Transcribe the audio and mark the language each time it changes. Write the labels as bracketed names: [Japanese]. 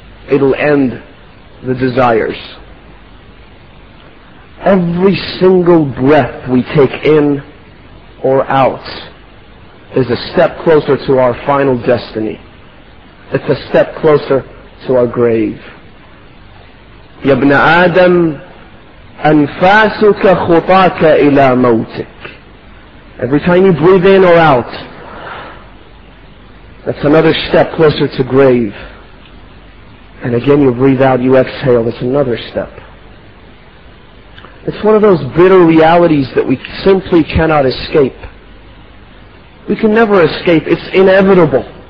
[English] It'll end the desires. Every single breath we take in or out is a step closer to our final destiny. It's a step closer to our grave. [Arabic] يبنى آدم أنفاسك خطاك إلى موتك. [English] Every time you breathe in or out, that's another step closer to grave. And again you breathe out, you exhale, that's another step. It's one of those bitter realities that we simply cannot escape. We can never escape. It's inevitable.